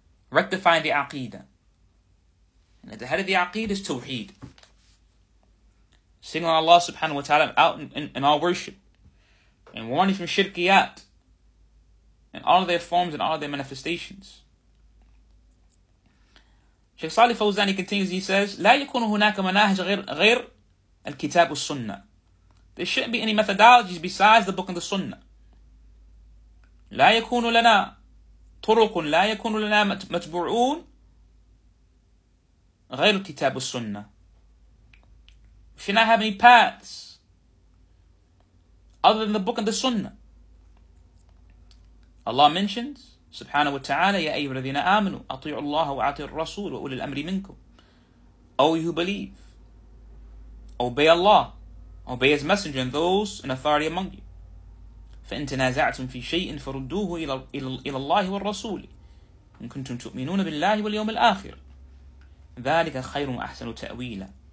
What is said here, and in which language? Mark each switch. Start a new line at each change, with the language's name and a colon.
English: Rectifying the aqeedah. And at the head of the aqeedah is tawheed. singling Allah subhanahu wa ta'ala out in our worship, and warning from shirkiyat, and all of their forms and all of their manifestations.
Arabic: Shaykh Salih Fawzani
English: continues, he says,
Arabic: لا يكون هناك مناهج غير الكتاب والسنة.
English: There shouldn't be any methodologies besides the book and the sunnah.
Arabic: لا يكون لنا طرق لا يكون لنا متبعون غير الكتاب والسنة.
English: We should not have any paths other than the book and the sunnah. Allah mentions,
Arabic: Subhanahu wa ta'ala, يَا أَيُّهُ الَّذِينَ آمَنُوا أَطِيعُوا اللَّهَ وَأَطِيعُوا الرَّسُولُ وَأُولِي الْأَمْرِ مِنْكُمْ.
English: O you who believe, obey Allah, obey His Messenger and those in authority among you.
Arabic: فَإِن تَنَازَعْتُمْ فِي شَيْءٍ فَرُدُّوهُ إِلَى اللَّهِ وَالرَّسُولِ إِن كُنْتُمْ تُؤْمِنُونَ بِاللَّهِ وَالْيَوْمِ الْآخِرِ ذَلِكَ خَيْرٌ وَأَحْسَنُ تَأْوِيلًا.